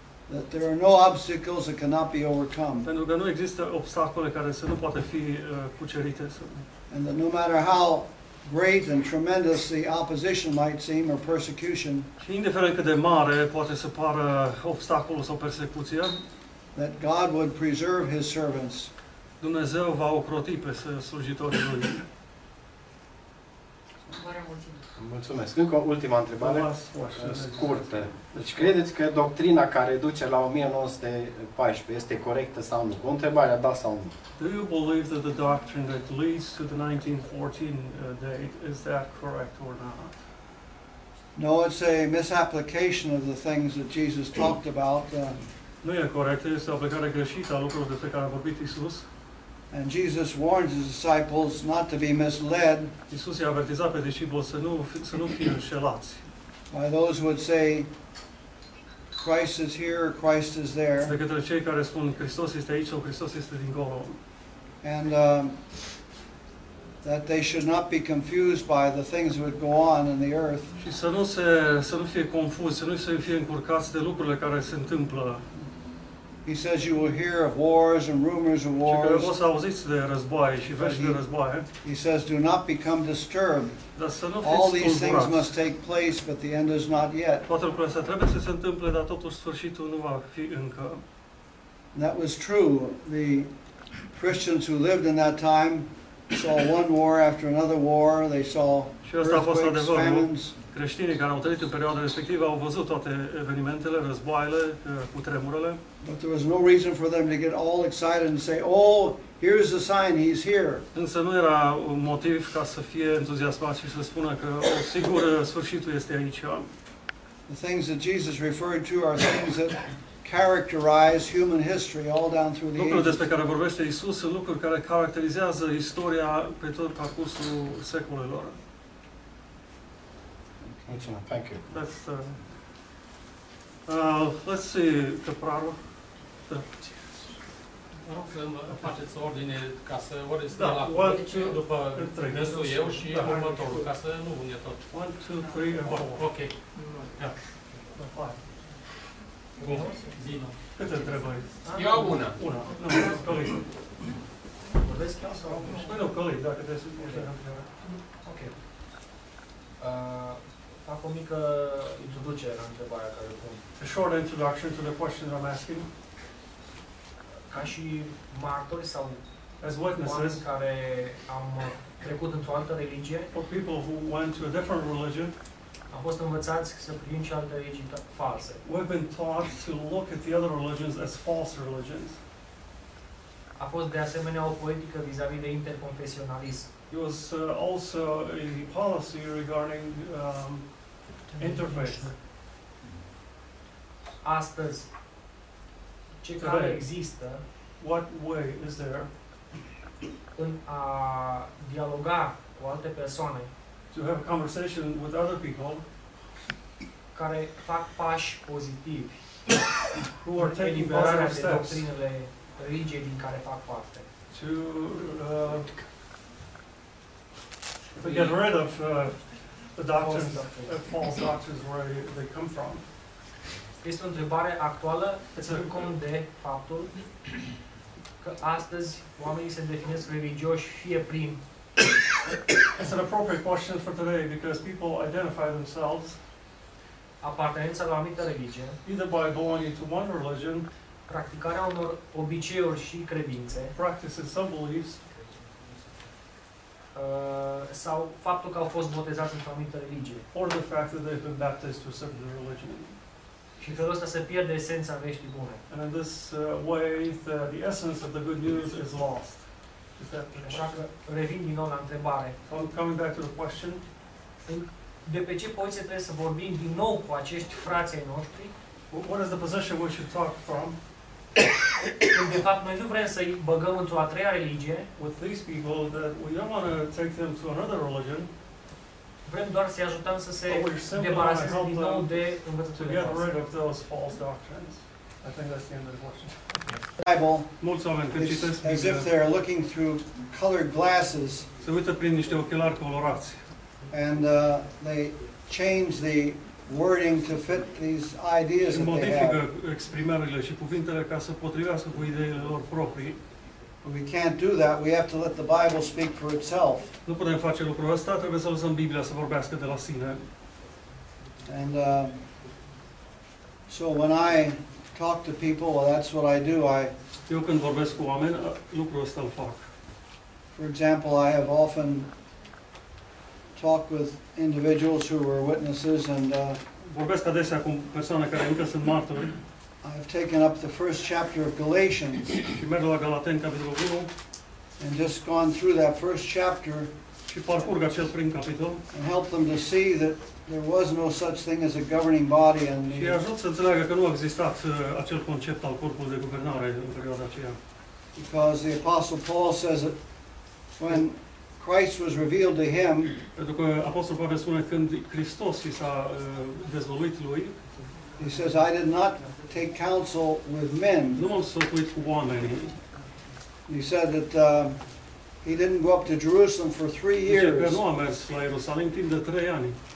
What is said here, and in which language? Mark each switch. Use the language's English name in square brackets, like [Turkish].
[English] That there are no obstacles that cannot be overcome. [Romanian] Pentru că nu există obstacole care să nu poată fi cucerite. [English] And that no matter how great and tremendous the opposition might seem or persecution. [Romanian] Și indiferent cât de mare poate să pară obstacolul sau persecuția. [English] That God would preserve his servants. [Romanian] Dumnezeu va ocroti pe slujitorii lui. Mulțumesc. Încă o ultima întrebare. Scurtă. Deci credeți că doctrina care duce la 1914 este corectă sau nu? O întrebare, da sau nu? [English] Do you believe that the doctrine that leads to the 1914 date, is that correct or not? No, it's a misapplication of the things that Jesus talked about. [Romanian] Nu e corect, este o aplicare greșită a lucrurilor despre care a vorbit Iisus. [English] And Jesus warns his disciples not to be misled. [Romanian] Iisus i-a avertizat pe discipoli să nu fie înșelați. [English] By those who would say Christ is here or Christ is there. [Romanian] De către cei care spun Hristos este aici sau Hristos este dincolo. [English] And that they should not be confused by the things that would go on in the earth. [Romanian] Și să nu se să nu fie confuz, să nu se fie încurcați de lucrurile care se întâmplă. [English] He says you will hear of wars and rumors of wars. [Romanian] Și că o să auziți de războaie și vești de războaie. [English] He says do not become disturbed. [Romanian] Dar să nu fiți [English] all these [Romanian] tulburați. [English] Things must take place, but the end is not yet. [Romanian] Toate lucrurile astea trebuie să se întâmple, dar totuși sfârșitul nu va fi încă. [English] That was true. The Christians who lived in that time saw one war after another war. They saw earthquakes, famines. [Romanian] Creștinii care au trăit în perioada respectivă au văzut toate evenimentele, războaiele, cutremurele. [English] But there was no reason for them to get all excited and say, "Oh, here's the sign. He's here." [Romanian] Însă nu era un motiv ca să fie entuziasmați și să spună că sigur sfârșitul este aici. [English] The things that Jesus referred to are things that characterize human history all down through the ages. [Romanian] Lucrurile despre care vorbește Isus sunt lucruri care caracterizează istoria pe tot parcursul secolelor. Mulțumesc. [English] Thank you. Let's see. [Romanian] Vă rog să faceți ordine ca să ori stă la cuvânt după restul eu și următorul, ca să nu vânie tot. 1, 2, 3, 4. Ok. Bun. Zino. Câte întrebări? Eu am una. Una. Nu, Călin. Vorbesc chiar sau am unul? Nu, Călin, dacă te supuși. Ok. Fac o mică introducere la întrebarea care pun. [English] A short introduction to the question I'm asking. [Romanian] Ca și martori sau [English] as witnesses, [Romanian] care am trecut într-o altă religie, [English] or people who went to a different religion, [Romanian] am fost învățați să privim și alte religii false. [English] We've been taught to look at the other religions as false religions. [Romanian] A fost de asemenea o politică vis-a-vis de interconfesionalism. [English] It was also a policy regarding interfaith. [Romanian] Astăzi, ce cale există, [English] what way is there, [Romanian] în a dialoga cu alte persoane, [English] to have a conversation with other people, [Romanian] care fac pași pozitivi, [English] who are taking better steps, [Romanian] doctrinele religiei din care fac parte, [English] to get rid of the doctrines, false doctrines where they come from. [Romanian] Este o întrebare actuală, ținând cont de faptul că astăzi oamenii se definesc religioși fie prin. [English] It's an appropriate question for today because people identify themselves [Romanian] apartenența la o anumită religie, [English] either by belonging to one religion, [Romanian] practicarea unor obiceiuri și credințe, [English] practices some beliefs, [Romanian] sau faptul că au fost botezați într-o anumită religie, [English] or the fact that they've been baptized to a certain religion. [Romanian] Și felul ăsta se pierde esența veștii bune. [English] And in this way, the essence of the good news is lost. Is that the [Romanian] așa că revin din nou la întrebare. [English] So coming back to the question. [Romanian] De pe ce poziție trebuie să vorbim din nou cu acești frații noștri? [English] What is the position we should talk from? [Romanian] Când de fapt noi nu vrem să-i băgăm într-o a treia religie. [English] With these people that we don't want to take them to another religion. [Romanian] Vrem doar să-i ajutăm să se debaraseze din nou de învățăturile [English] I think that's the end of the question. As if they're looking through colored glasses. [Romanian] Se uită prin niște ochelari colorați. [English] And they change the wording to fit these ideas that they have. [Romanian] Modifică exprimările și cuvintele ca să potrivească cu ideile lor proprii. [English] We can't do that. We have to let the Bible speak for itself. [Romanian] Nu putem face lucrul ăsta, trebuie să lăsăm Biblia să vorbească de la sine. [English] And so when I talk to people, well, that's what I do. [Romanian] Eu când vorbesc cu oameni, lucrul ăsta îl fac. [English] For example, I have often talked with individuals who were witnesses and [Romanian] vorbesc adesea cu persoane care încă sunt martori. [English] I have taken up the first chapter of Galatians. [Romanian] Și merg la Galateni capitolul 1. [English] And just gone through that first chapter. [Romanian] Și parcurg acel prim capitol. [English] And helped them to see that there was no such thing as a governing body in the. [Romanian] Și ajut să înțeleagă că nu a existat acel concept al corpului de guvernare în perioada aceea. [English] Because the apostle Paul says that when Christ was revealed to him, [Romanian] pentru că apostolul Pavel spune când Hristos i s-a dezvăluit lui, [English] he says, I did not take counsel with men. [Romanian] Nu m-am sfătuit cu oamenii. [English] He said that he didn't go up to Jerusalem for 3 years. [Romanian] Dice că nu a mers la Ierusalim timp de 3 ani.